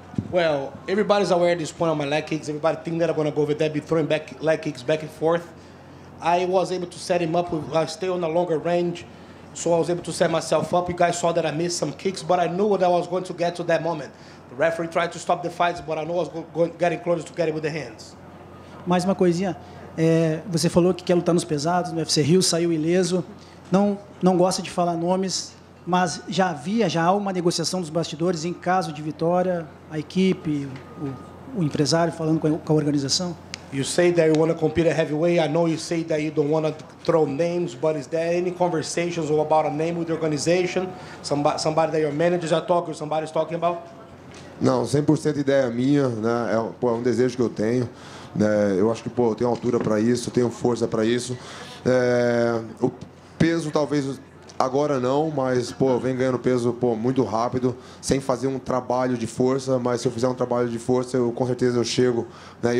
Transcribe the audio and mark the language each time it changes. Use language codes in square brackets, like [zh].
[en] Well, everybody's aware at this point on my leg kicks. Everybody think that I'm gonna go with that, be throwing back leg kicks back and forth. I was able to set him up. I stay on a longer range, so I was able to set myself up. You guys saw that I missed some kicks, but I knew what I was going to get to that moment. The referee tried to stop the fights, but I knew I was getting closer to get it with the hands. [pt] Mais uma coisinha. Você falou que quer lutar nos pesados, no UFC Rio, saiu ileso. Não gosta de falar nomes, mas já há uma negociação dos bastidores em caso de vitória, a equipe, o empresário falando com a organização? [en] You say that you want to compete at heavyweight. I know you say that you don't want to throw names, but is there any conversations or about a name with the organization? Somebody that your managers are talking, somebody is talking about? [pt] Não, 100% ideia minha, né? É um desejo que eu tenho. Eu acho que, pô, eu tenho altura para isso, eu tenho força para isso. O peso talvez agora não, mas pô, eu venho ganhando peso, pô, muito rápido, sem fazer um trabalho de força, mas se eu fizer um trabalho de força, eu com certeza eu chego, né?